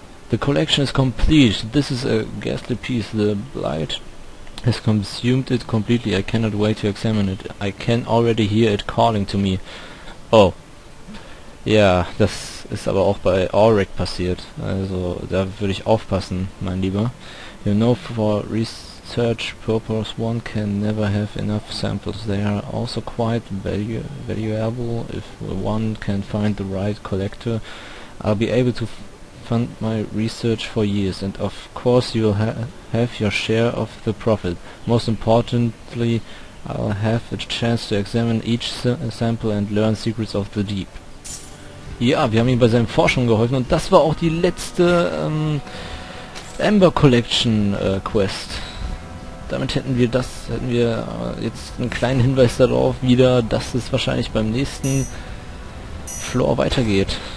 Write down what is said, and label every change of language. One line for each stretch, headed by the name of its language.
English: The collection is complete. This is a ghastly piece. The blight has consumed it completely. I cannot wait to examine it. I can already hear it calling to me. Oh.
German: Ja, das ist aber auch bei Auric passiert. Also, da würde ich aufpassen, mein Lieber.
English: You know, for research purpose, one can never have enough samples. They are also quite valuable. If one can find the right collector, I'll be able to fund my research for years. And of course, you'll have your share of the profit. Most importantly, I'll have a chance to examine each sample and learn secrets of the deep.
German: Ja, wir haben ihm bei seinen Forschungen geholfen und das war auch die letzte Ember Collection Quest. Damit hätten wir jetzt einen kleinen Hinweis darauf wieder, dass es wahrscheinlich beim nächsten Floor weitergeht.